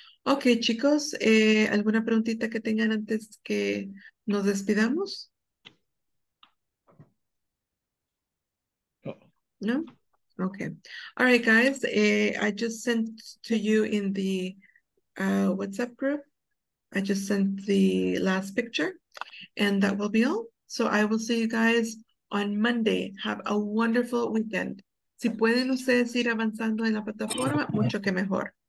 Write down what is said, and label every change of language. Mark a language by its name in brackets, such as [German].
[Spanish] Okay, chicos, ¿alguna preguntita que tengan antes que nos despidamos? No? [English] Okay. All right, guys, I just sent to you in the WhatsApp group. I just sent the last picture, and that will be all. So I will see you guys on Monday. Have a wonderful weekend. [Spanish] Si pueden ustedes ir avanzando en la plataforma, mucho que mejor.